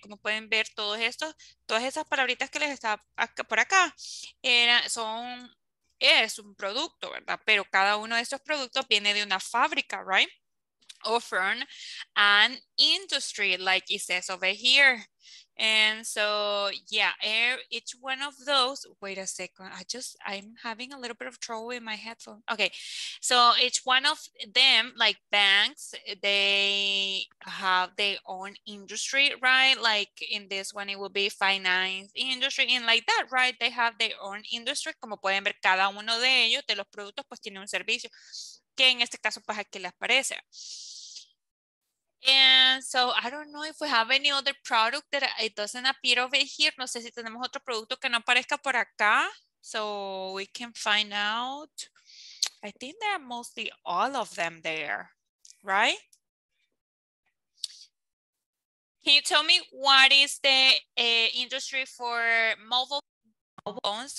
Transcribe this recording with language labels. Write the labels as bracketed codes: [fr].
[es] Como pueden ver, todos estos, todas esas palabritas que les está acá, por acá, es un producto, ¿verdad? Pero cada uno de estos productos viene de una fábrica, right? [en] Or from an industry, like it says over here. And so, yeah, each one of those, wait a second, I'm having a little bit of trouble in my headphone. Okay, so each one of them, like banks, they have their own industry, right? Like in this one, it will be finance industry and like that, right? They have their own industry. [es] Como pueden ver, cada uno de ellos, de los productos, pues tiene un servicio. Que en este caso, pues aquí les parece. [en] And so I don't know if we have any other product that it doesn't appear over here. [es] No sé si tenemos otro producto que no aparezca por acá. [en] So we can find out. I think there are mostly all of them there, right? Can you tell me what is the industry for mobile phones?